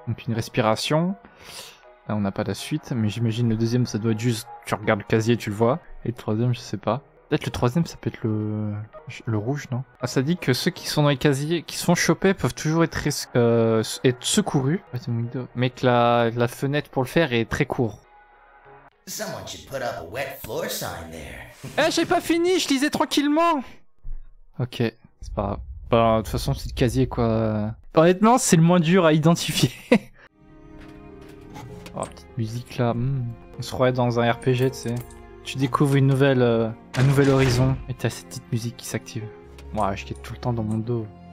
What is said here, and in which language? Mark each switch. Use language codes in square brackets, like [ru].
[fr] Donc une respiration. Là, on n'a pas la suite, mais j'imagine le deuxième, ça doit être juste, tu regardes le casier, tu le vois. Et le troisième, je sais pas. Peut-être le troisième, ça peut être le rouge, non? Ah, ça dit que ceux qui sont dans les casiers, qui sont chopés, peuvent toujours être secourus. Mais que la fenêtre pour le faire est très court. [en] Someone should put up a wet floor sign there. [fr] Eh, j'ai pas fini, je lisais tranquillement. Ok, c'est pas grave. Bah, de toute façon, c'est le casier, quoi. Honnêtement, c'est le moins dur à identifier. Oh, petite musique, là. On se croirait dans un RPG, tu sais. Tu découvres une nouvelle... un nouvel horizon. Et t'as cette petite musique qui s'active. Moi, je quitte tout le temps dans mon dos.